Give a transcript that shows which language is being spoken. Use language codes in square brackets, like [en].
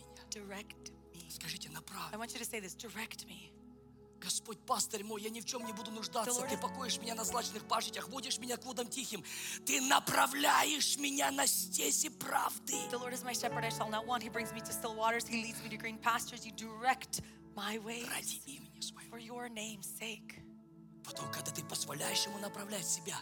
[en] Direct me. I want you to say this, direct me. [ru] Господь, пастырь мой, я ни в чем не буду нуждаться. Ты покоишь меня на злачных пажитях, водишь меня к водам тихим. Ты направляешь меня на стези правды. [en] The Lord is my shepherd, I shall not want. He brings me to still waters, He leads me to green pastures. You direct my ways. [ru] Ради имени своего. [en] For your name's sake. [ru] Потом, когда ты позволяешь Ему направлять себя,